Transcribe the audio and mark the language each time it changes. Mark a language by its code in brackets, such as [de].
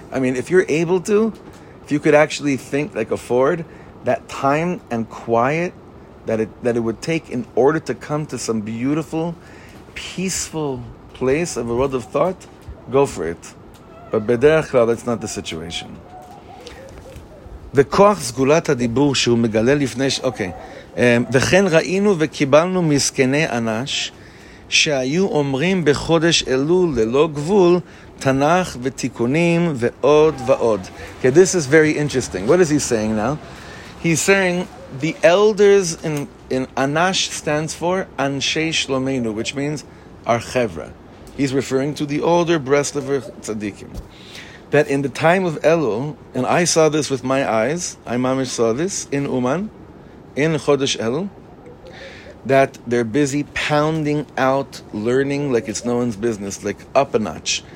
[en] I mean, if you're able to, if you could actually think, like, afford that time and quiet that it would take in order to come to some beautiful, peaceful place of a world of thought, go for it. But [he] bederech kalal, [en] that's not the situation. [he] וכוח סגולת הדיבור שהוא מגלה לפני ש... אוקיי. וכן ראינו וקיבלנו מסכני אנש שהיו אומרים בחודש אלול ללא גבול תנ"ך ותיקונים ועוד ועוד. [en] Okay, this is very interesting. What is he saying now? He's saying the elders in Anash stands for Anshei Shlomenu, which means our chevra. He's referring to the older Breslover tzaddikim. That in the time of Elul, and I saw this with my eyes, I mamish saw this in Uman, in Chodesh Elul, that they're busy pounding out learning like it's no one's business, like up a notch.